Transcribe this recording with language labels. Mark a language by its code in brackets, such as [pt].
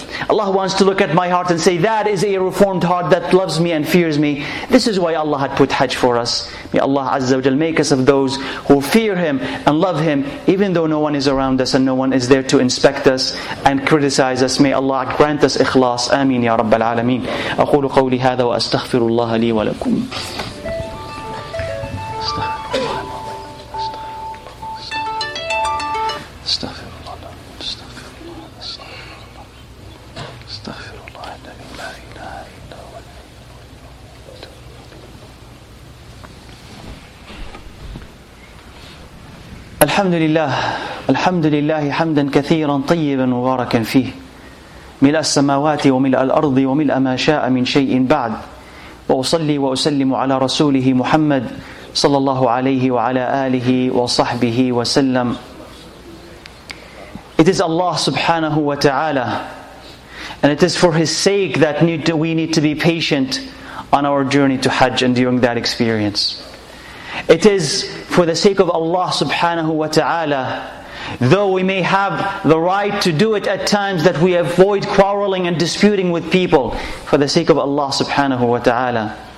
[en] Allah wants to look at my heart and say, that is a reformed heart that loves me and fears me. This is why Allah had put Hajj for us. May Allah Azza wa Jal make us of those who fear Him and love Him, even though no one is around us and no one is there to inspect us and criticize us. May Allah grant us ikhlas. [ar] Ameen ya Rabbal Alameen. أقول قولي هذا وأستغفر الله لي ولكم. الحمد لله الحمد لله حمدا كثيرا طيبا مباركا فيه ملء السماوات وملء الأرض وملء ما شاء من شيء بعد وأصلي وأسلم على رسوله محمد صلى الله عليه وعلى آله وصحبه وسلم. [en] It is Allah subhanahu wa ta'ala, and it is for His sake that we need to be patient on our journey to Hajj and during that experience. It is for the sake of Allah subhanahu wa ta'ala, though we may have the right to do it at times, that we avoid quarreling and disputing with people, for the sake of Allah subhanahu wa ta'ala.